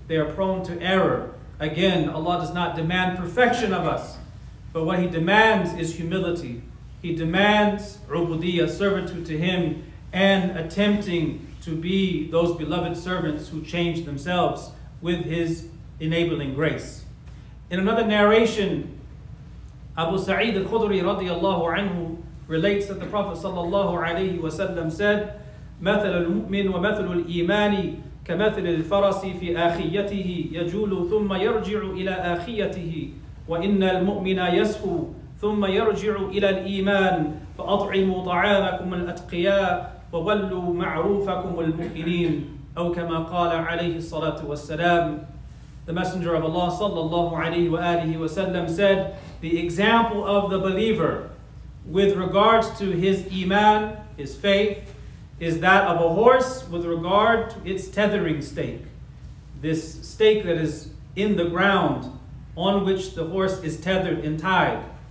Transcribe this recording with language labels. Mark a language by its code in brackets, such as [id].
[en] They are prone to error. Again, Allah does not demand perfection of us, but what He demands is humility. He demands ubudiyyah, servitude to Him, and attempting to be those beloved servants who change themselves with His enabling grace. In another narration, Abu Sa'id al-Khudri radiyallahu anhu relates that the Prophet sallallahu alayhi wa sallam said, [ar] مثل المؤمن ومثل الإيمان كمثل الفرس في آخيته يجول ثم يرجع إلى آخيته وإن المؤمن يسهو ثم يرجع إلى الإيمان فأطعموا طعامكم الأتقياء وولوا معروفكم المؤمنين أو كما قال عليه الصلاة والسلام. [en] The Messenger of Allah sallallahu alayhi wa alihi wa sallam said, the example of the believer with regards to his iman, his faith, is that of a horse with regard to its tethering stake. This stake that is in the ground on which the horse is tethered and tied.